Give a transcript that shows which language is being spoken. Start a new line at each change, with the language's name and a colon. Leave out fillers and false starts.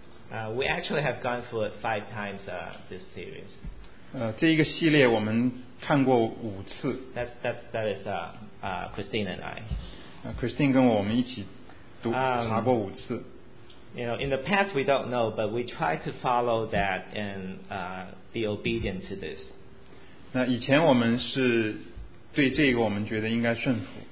English: We actually have gone through it 5 times this series.
Chinese: 这一个系列我们看过五次。
English: That is Christine and I.
Chinese: Christine 跟我们一起读查过五次。
English: You know, in the past we don't know, but we try to follow that and be obedient to this.
Chinese: 那以前我们是对这个我们觉得应该顺服。